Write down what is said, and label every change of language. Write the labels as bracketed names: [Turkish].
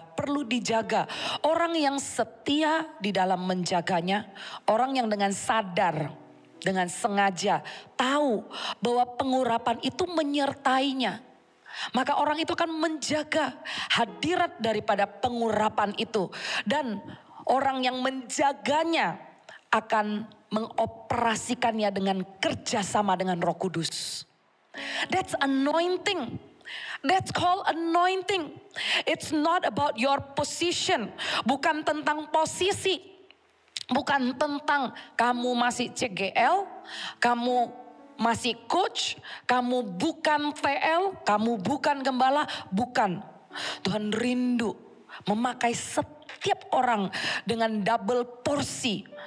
[Indonesian] Perlu dijaga. Orang yang setia di dalam menjaganya, orang yang dengan sadar, dengan sengaja tahu bahwa pengurapan itu menyertainya, maka orang itu akan menjaga hadirat daripada pengurapan itu. Dan orang yang menjaganya akan mengoperasikannya dengan kerjasama dengan Roh Kudus. [English] That's anointing. That's called anointing. It's not about your position. [Indonesian] Bukan tentang posisi. Bukan tentang kamu masih CGL, kamu masih coach, kamu bukan TL, kamu bukan gembala, bukan. Tuhan rindu memakai setiap orang dengan double porsi.